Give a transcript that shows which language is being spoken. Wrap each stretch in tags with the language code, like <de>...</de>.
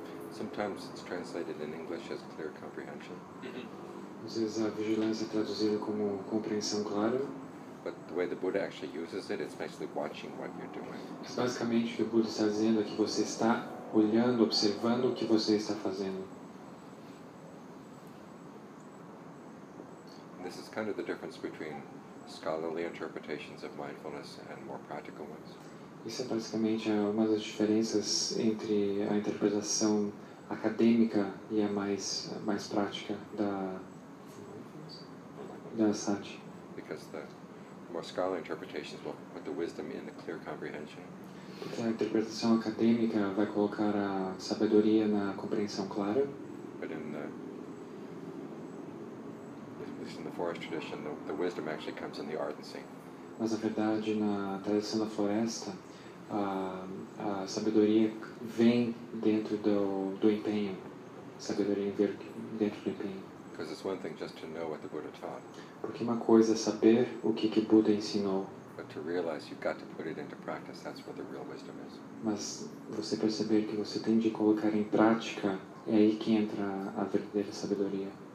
<en>Sometimes it's translated in English as clear comprehension.</en> <pt>Às vezes a vigilância é traduzida como compreensão clara.</pt> <en>But the way the Buddha actually uses it, it's basically watching what you're doing.</en> <pt>Basicamente, o que o Buda está dizendo é que você está olhando, observando o que você está fazendo.</pt> <en>This is kind of the difference between scholarly interpretations of mindfulness and more practical ones.</en> <pt>Isso é basicamente uma das diferenças entre a interpretação acadêmica e a mais prática da sati.</pt> <en>Because the more scholarly interpretations will put the wisdom in the clear comprehension.</en> <pt>Porque a interpretação acadêmica vai colocar a sabedoria na compreensão clara.</pt> <en>But in the forest tradition, the wisdom actually comes in the ardency.</en> <pt>Mas na verdade, na tradição da floresta, a sabedoria vem dentro do empenho. Sabedoria vem dentro do empenho.</pt> <en>Because it's one thing just to know what the Buddha taught.</en> <pt>Porque uma coisa é saber o que o Buda ensinou.</pt> <en>But to realize you've got to put it into practice, that's where the real wisdom is.</en> <pt>Mas você perceber que você tem de colocar em prática, é aí que entra a verdadeira sabedoria.</pt>